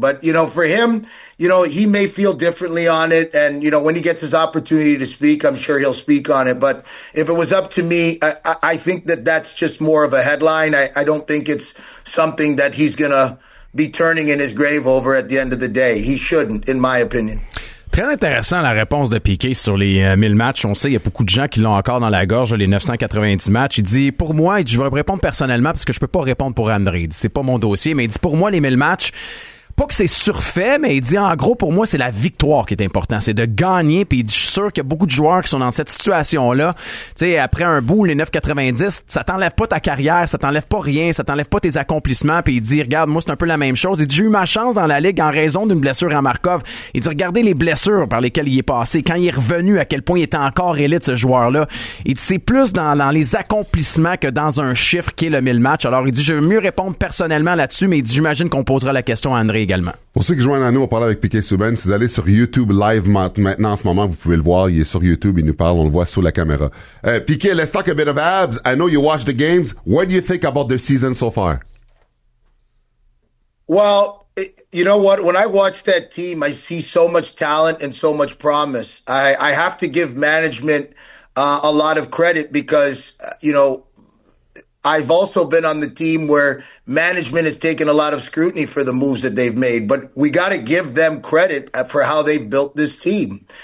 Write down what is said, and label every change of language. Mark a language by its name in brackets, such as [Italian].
[English] But, you know, for him, you know, he may feel differently on it. And, you know, when he gets his opportunity to speak, I'm sure he'll speak on it. But if it was up to me, I think that that's just more of a headline. I don't think it's something that he's going to be turning in his grave over at the end of the day. He shouldn't, in my opinion. [French] Très intéressant la réponse de Piqué sur les 1000 matchs. On sait, il y a beaucoup de gens qui l'ont encore dans la gorge, les 990 matchs. Il dit, pour moi, je vais répondre personnellement parce que je peux pas répondre pour André. Il dit, c'est pas mon dossier, mais il dit, pour moi, les 1000 matchs, pas que c'est surfait, mais il dit, en gros, pour moi, c'est la victoire qui est importante. C'est de gagner, puis il dit, je suis sûr qu'il y a beaucoup de joueurs qui sont dans cette situation-là. Tu sais, après un bout, les 990, ça t'enlève pas ta carrière, ça t'enlève pas rien, ça t'enlève pas tes accomplissements, puis il dit, regarde, moi, c'est un peu la même chose. Il dit, j'ai eu ma chance dans la Ligue en raison d'une blessure à Markov. Il dit, regardez les blessures par lesquelles il est passé, quand il est revenu, à quel point il était encore élite, ce joueur-là. Il dit, c'est plus dans les accomplissements que dans un chiffre qui est le 1000 matchs. Alors, il dit, je veux mieux répondre personnellement là-dessus, mais il dit, j'imagine qu'on posera la question à André également. Pour ceux qui joignent à nous, on parle avec Piqué Subban. Si vous allez sur YouTube live maintenant, en ce moment, vous pouvez le voir. Il est sur YouTube, il nous parle, on le voit sous la caméra. [English] Piqué, let's talk a bit of abs. I know you watch the games. What do you think about their season so far? Well, you know what? When I watch that team, I see so much talent and so much promise. I have to give management a lot of credit because, you know, I've also been on the team where management has taken a lot of scrutiny for the moves that they've made, but we got to give them credit for how they built this team.